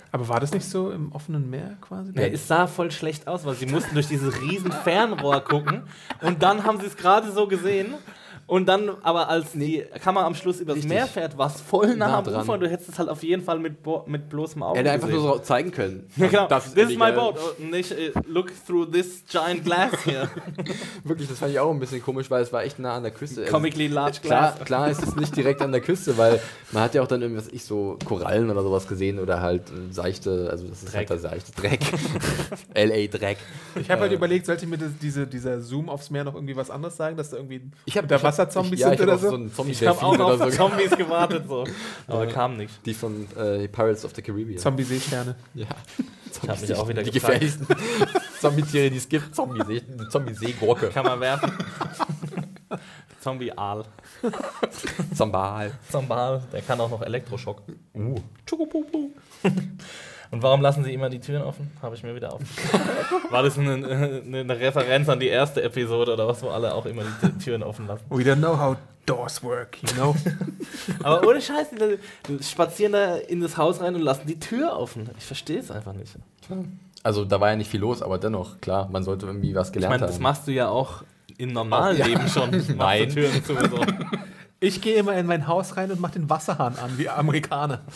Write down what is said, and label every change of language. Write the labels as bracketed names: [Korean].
[German] Aber war das nicht so im offenen Meer quasi? Ja, es sah voll schlecht aus, weil sie mussten durch dieses riesen Fernrohr gucken und dann haben sie es gerade so gesehen und dann, aber als die Kamera am Schluss übers Meer fährt, war es voll nah am Ufer und du hättest es halt auf jeden Fall mit bloßem Auge gesehen. Hätte einfach nur so zeigen können. Ja, genau, [English] this is my boat, [German] nicht [English] look through this giant glass here. [German] Wirklich, das fand ich auch ein bisschen komisch, weil es war echt nah an der Küste. [English] Comically large glass. [German] Klar ist es nicht direkt an der Küste, weil man hat ja auch dann irgendwas, ich so Korallen oder sowas gesehen oder halt seichte, also das ist Dreck. Halt der seichte Dreck. L.A. Dreck. Ich habe halt überlegt, sollte ich mir dieser Zoom aufs Meer noch irgendwie was anderes sagen, dass da irgendwie Wasserzombies sind oder so? Ich habe auch auf Zombies gewartet, so. Aber kam nicht. Die von Pirates of the Caribbean. Zombie-Seesterne. Ja. Ich habe mich auch wieder die gefragt. Die gefährlichsten Zombie-Tiere, die es gibt. Zombie-Seegurke. Kann man werfen. Zombie-Aal. Zombie-Aal. Der kann auch noch Elektroschock. Chukupupu. Und warum lassen sie immer die Türen offen? Habe ich mir wieder aufgeschrieben. War das eine Referenz an die erste Episode oder was, wo alle auch immer die Türen offen lassen? [English] We don't know how doors work, you know? [German] Aber ohne Scheiß, die spazieren da in das Haus rein und lassen die Tür offen. Ich verstehe es einfach nicht. Also da war ja nicht viel los, aber dennoch, klar, man sollte irgendwie was gelernt haben. Ich meine, das machst du ja auch im normalen Leben schon. Nein. Türen sowieso. Ich gehe immer in mein Haus rein und mache den Wasserhahn an, wie Amerikaner.